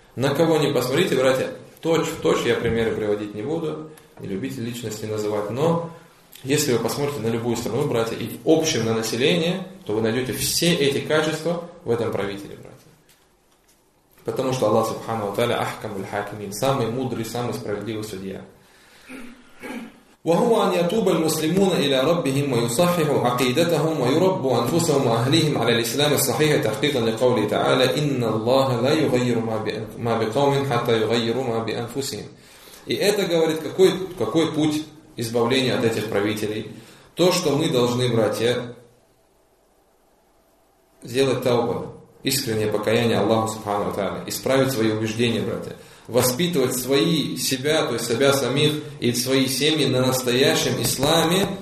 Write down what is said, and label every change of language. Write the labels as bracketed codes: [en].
[ru] На кого не посмотрите, братья, точь в точь, я примеры приводить не буду, не любите личности называть, но если вы посмотрите на любую страну, братья, и в общем на население, то вы найдете все эти качества в этом правителе, братья. Потому что Аллах Субхану ва Тааля Ахкамуль Хакимин, самый мудрый, самый справедливый судья. [ar] وهو أن يتوب المسلمون إلى ربهم ويصححوا عقيدتهم ويربوا أنفسهم وأهليهم على الإسلام الصحيح تحقيقا لقوله تعالى إن الله لا يغير ما بقوم حتى يغيروا ما بأنفسهم. [ru] И это говорит, какой путь избавления от этих правителей. То, что мы должны, братья, сделать тауба, искреннее покаяние Аллаху Субхану ва Тааля, исправить свои убеждения, братья. Воспитывать свои, себя, то есть себя самих и свои семьи на настоящем исламе.